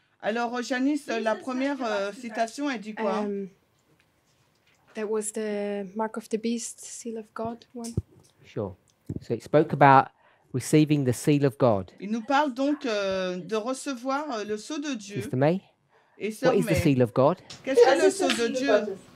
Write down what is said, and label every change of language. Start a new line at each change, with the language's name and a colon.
French: Alors, Janice, la première citation, elle dit quoi?
English: That was the mark of the beast, seal of God one. Sure. So it spoke about receiving the seal of God.
French: Il nous parle donc de recevoir le sceau de Dieu.
English: Sister May, what is the seal of God?
French: Qu'est-ce que le sceau de Dieu?